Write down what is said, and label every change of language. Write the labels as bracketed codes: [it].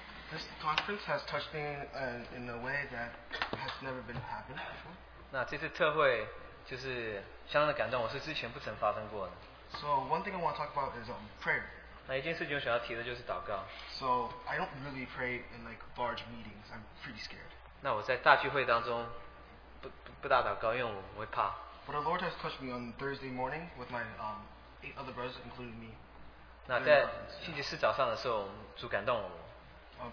[en] This conference has touched me in a way that has never been happened before. [zh] 那这次特会。就是相当的感动，我是之前不曾发生过的。 [en] So one thing I want to talk about is prayer. [zh] 那一件事情我想要提的就是祷告。 [en] So I don't really pray in large meetings. I'm pretty scared. [zh] 那我在大聚会当中不大祷告，因为我会怕。 [en] But our Lord has touched me on Thursday morning with my eight other brothers, including me. [zh] 那在星期四早上的时候，主感动了我。